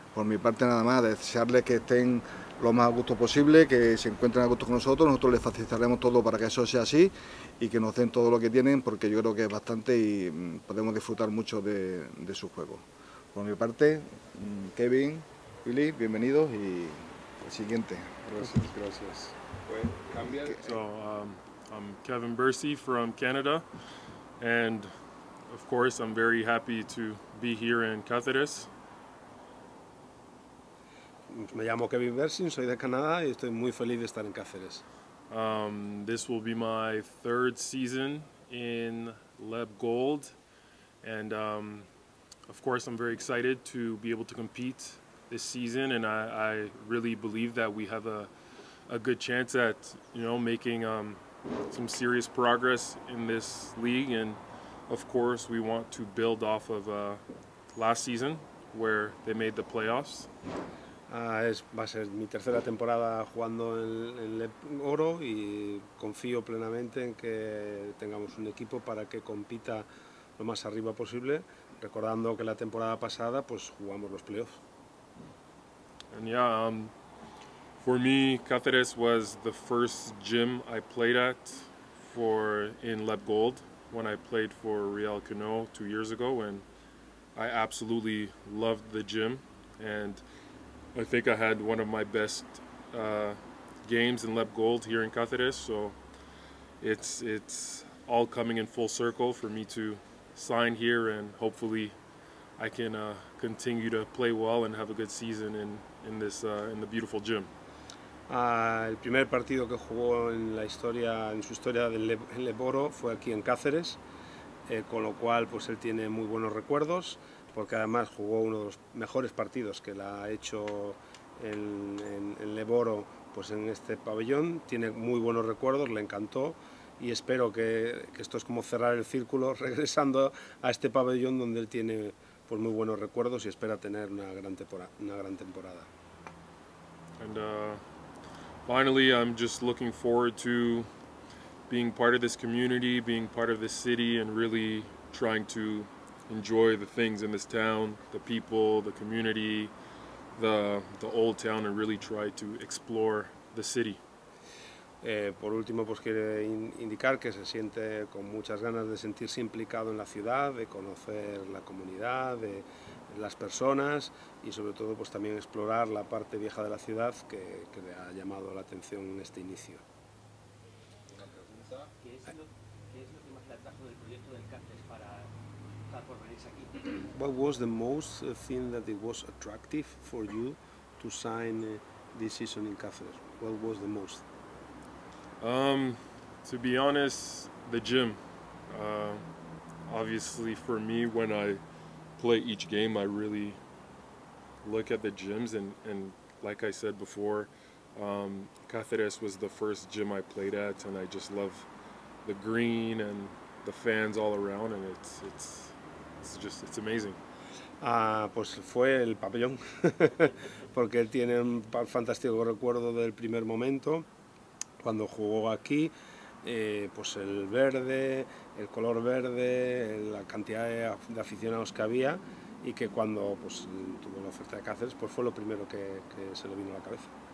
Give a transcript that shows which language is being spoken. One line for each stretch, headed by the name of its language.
Spanish: Por mi parte, nada más, desearles que estén lo más a gusto posible, que se encuentren a gusto con nosotros. Nosotros les facilitaremos todo para que eso sea así y que nos den todo lo que tienen, porque yo creo que es bastante y podemos disfrutar mucho de su juego. Por mi parte, Kevin, Willy, bienvenidos, y el siguiente. Gracias.
English: So, I'm Kevin Bercy from Canada, and of course I'm very happy to be here in Cáceres.
Spanish: Me llamo Kevin Bercy, soy de Canadá y estoy muy feliz de estar en Cáceres.
English: This will be my third season in LEB Gold, and of course, I'm very excited to be able to compete this season, and I really believe that we have a good chance at, you know, making some serious progress in this league. And of course, we want to build off of last season, where they made the playoffs.
Spanish: Va a ser mi tercera temporada jugando en LEB Oro, y confío plenamente en que tengamos un equipo para que compita lo más arriba posible. Recordando que la temporada pasada pues jugamos los playoffs.
English: And yeah, for me, Cáceres was the first gym I played at in LEB Gold when I played for Real Cano 2 years ago, and I absolutely loved the gym, and I think I had one of my best games in LEB Gold here in Cáceres. So it's all coming in full circle for me to sign here, and hopefully I can continue to play well and have a good season in the beautiful gym.
Spanish: El primer partido que jugó en su historia del LEB Oro fue aquí en Cáceres, con lo cual pues él tiene muy buenos recuerdos, porque además jugó uno de los mejores partidos que la ha hecho en LEB Oro, pues en este pabellón. Tiene muy buenos recuerdos, le encantó, y espero que esto es como cerrar el círculo regresando a este pabellón, donde él tiene pues muy buenos recuerdos y espera tener una gran temporada.
English: And finally, I'm just looking forward to being part of this community, being part of this city, and really trying to enjoy the things in this town, the people, the community, the old town, and really try to explore the city.
Spanish: Por último, pues quiere indicar que se siente con muchas ganas de sentirse implicado en la ciudad, de conocer la comunidad, de las personas, y sobre todo pues también explorar la parte vieja de la ciudad que le ha llamado la atención en este inicio. Una pregunta: ¿qué es lo que más le atrajo del proyecto del Cáceres para estar por venirse aquí?
English: What was the most thing that it was attractive for you to sign this season in Cáceres? What was the most? To be honest, the gym. Obviously for me, when I play each game, I really look at the gyms, and like I said before, Cáceres was the first gym I played at, and I just love the green and the fans all around, and it's amazing.
Spanish: Pues fue el pabellón, porque él tiene un fantástico recuerdo del primer momento. Cuando jugó aquí, pues el verde, el color verde, la cantidad de aficionados que había, y que cuando pues tuvo la oferta de Cáceres, pues fue lo primero que se le vino a la cabeza.